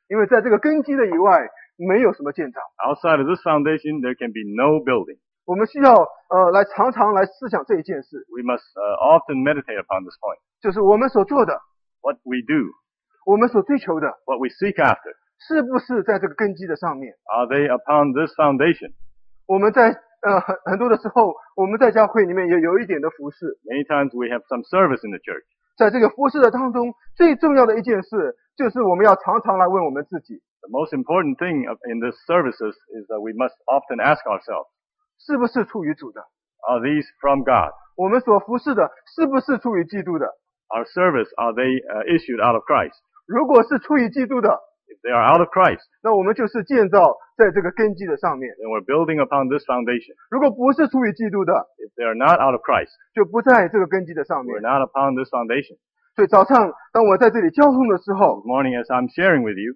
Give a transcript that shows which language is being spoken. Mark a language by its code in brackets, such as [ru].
[zh] 因为在这个根基的以外没有什么建造。 [en] Outside of this foundation, there can be no building. [zh] 我们需要来常常来思想这一件事。 [en] We must often meditate upon this point. [zh] 就是我们所做的。 [en] What we do. [zh] 我们所追求的。 [en] What we seek after. [zh] 是不是在这个根基的上面。 [en] Are they upon this foundation? [zh] 我们在很多的时候我们在教会里面也有一点的服事。 [en] Many times we have some service in the church. [zh] 在这个服事的当中最重要的一件事就是我们要常常来问我们自己。 [en] The most important thing in this services is that we must often ask ourselves. [zh] 是不是出于主的？ [en] Are these from God? [zh] 我们所服侍的是不是出于基督的？ [en] Our service, are they issued out of Christ? [zh] 如果是出于基督的， [en] If they are out of Christ, [zh] 那我们就是建造在这个根基的上面。 [en] Then we're building upon this foundation. [zh] 如果不是出于基督的， [en] If they are not out of Christ, [zh] 就不在这个根基的上面。 [en] We're not upon this foundation. [zh] 所以早上当我在这里交通的时候， [en] Good morning, as I'm sharing with you,